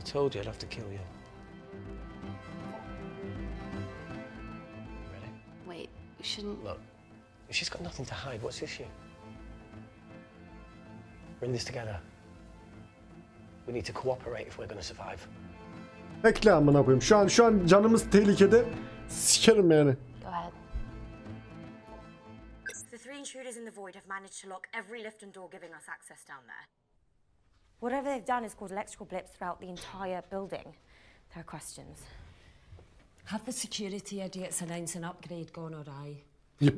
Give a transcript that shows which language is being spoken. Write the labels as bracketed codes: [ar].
[en] If I told you, I'd have to kill you. Ready? Wait, we shouldn't... Look, if she's got nothing to hide, what's the issue? We're in this together. We need to cooperate if we're going to survive. [tr] Ekle amına koyayım. Şu an canımız tehlikede. Sikerim yani. [en] Go ahead. intruders in the void have managed to lock every lift and door giving us access down there. Whatever they've done has caused electrical blips throughout the entire building. There are questions. Have the security idiots announced an upgrade gone awry? [tr] Yapanmış.